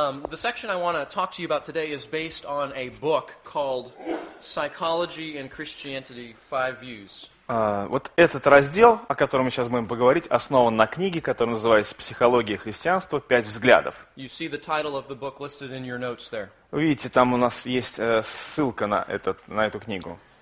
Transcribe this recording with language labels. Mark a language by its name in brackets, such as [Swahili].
[English] The section I want to talk to you about today is based on a book called Psychology and Christianity, Five Views. [Russian] Вот этот раздел, о котором мы сейчас будем поговорить, основан на книге, которая называется «Психология христианства. Пять взглядов». [English] You see the title of the book listed in your notes there. [Russian] Видите, там у нас есть ссылка на этот, на эту книгу.